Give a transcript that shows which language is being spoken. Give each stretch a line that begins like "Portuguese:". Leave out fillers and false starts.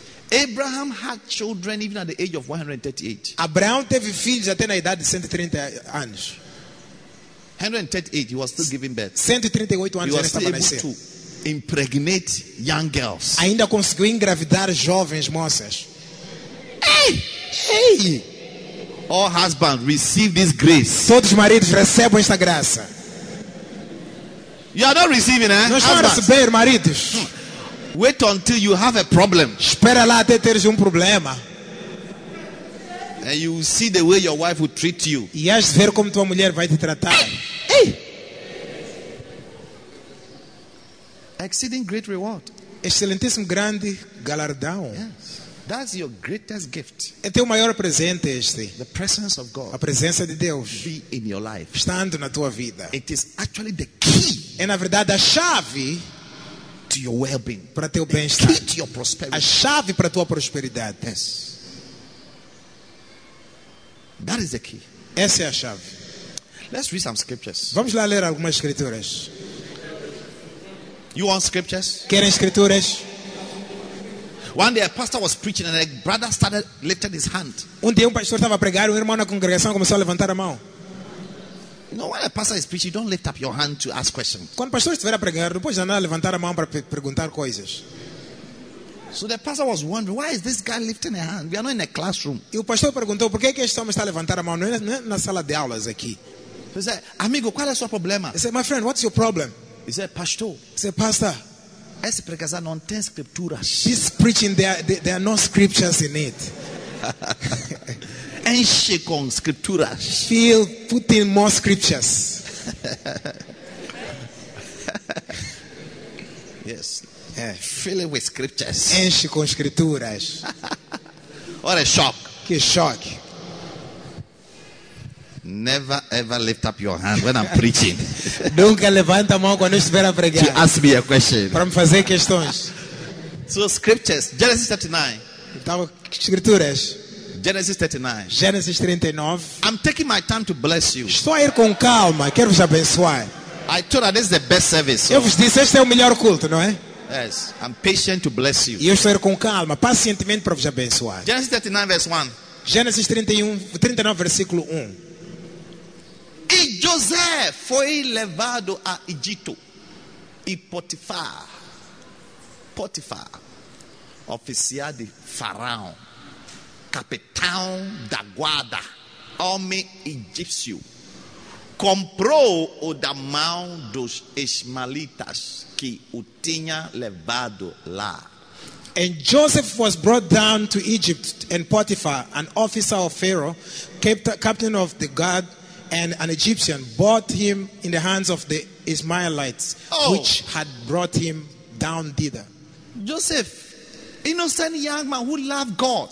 English: Abraham had children even at the age of 138.
Portuguese: Abraão teve filhos até na idade de 130 anos.
English: 138, he was still giving birth.
Portuguese: 138 anos
English: he was
Portuguese: ele
English: still able to impregnate young girls.
Portuguese: Ainda conseguiu engravidar jovens moças. Hey! Hey!
English: All husbands receive this grace.
Portuguese: Todos os maridos recebam esta graça.
English: You are not receiving, eh?
Portuguese: Não está a receber, maridos.
English: Wait until you have a problem.
Portuguese: Espera lá até teres problema.
English: And you will see the way your wife will treat you.
Portuguese: E vais ver como tua mulher vai te tratar. Hey!
English: Exceeding great reward.
Portuguese: Excelentíssimo grande galardão.
English: Yes. That's your greatest gift.
Portuguese: É teu maior presente este.
English: The presence of God.
Portuguese: A presença de Deus.
English: Be in your life.
Portuguese: Estando na tua vida.
English: It is actually the key.
Portuguese: É na verdade a chave
English: to your well-being.
Portuguese: Para teu bem-estar.
English: To your prosperity.
Portuguese: A chave para tua prosperidade.
English: Yes. That is the key.
Portuguese: Essa é a chave.
English: Let's read some scriptures.
Portuguese: Vamos lá ler algumas escrituras.
English: You want scriptures?
Portuguese: Querem escrituras?
English: One day a pastor was preaching and a brother started lifting his hand.
Portuguese: Um dia pastor estava a pregar e irmão na congregação começou a levantar a mão.
English: No, when a pastor is preaching, don't lift up your hand to ask questions.
Portuguese: Quando pastor estiver a pregar, depois já não levantar a mão para perguntar coisas.
English: So the pastor was wondering, why is this guy lifting a hand? We are not in a classroom.
Portuguese: E o pastor perguntou, por que este homem está a levantar a mão? Não é na sala de aulas aqui.
English: He said,
Portuguese: amigo, qual é o seu problema?
English: He said, my friend, what's your problem? He said, pastor. He said, pastor.
Portuguese: Esse pregação não tem escritura.
English: She's preaching, there are no scriptures in it.
Portuguese: Enche com escrituras.
English: Feel put in more scriptures. Yes. Yeah. Fill it with scriptures.
Portuguese: Enche com escrituras.
English: What a shock.
Portuguese: Que shock.
English: Never ever lift up your hand when I'm preaching.
Portuguese: Nunca levanta a mão quando estiver a pregar.
English: To ask me a question.
Portuguese: Para me fazer questões.
English: So scriptures, Genesis 39.
Portuguese: Então, escrituras.
English: Genesis 39. Genesis 39. I'm taking my time to bless you.
Portuguese: Estou a ir com calma, quero vos abençoar.
English: I told her this is the best service.
Portuguese: Eu vos disse, este é o melhor culto, não é?
English: Yes, I'm patient to bless you.
Portuguese: E eu estou a ir com calma, pacientemente para vos abençoar.
English: Genesis 39 verse 1.
Portuguese: Genesis 39 versículo 1. E José foi levado a Egito. E Potifar, Potifar, oficial de Faraó, capitão da guarda, homem egípcio, comprou o da mão dos ismaelitas que o tinha levado lá.
English: And Joseph was brought down to Egypt, and Potiphar, an officer of Pharaoh, captain of the guard, and an Egyptian, bought him in the hands of the Ismaelites, which had brought him down thither. Joseph, innocent young man who loved God.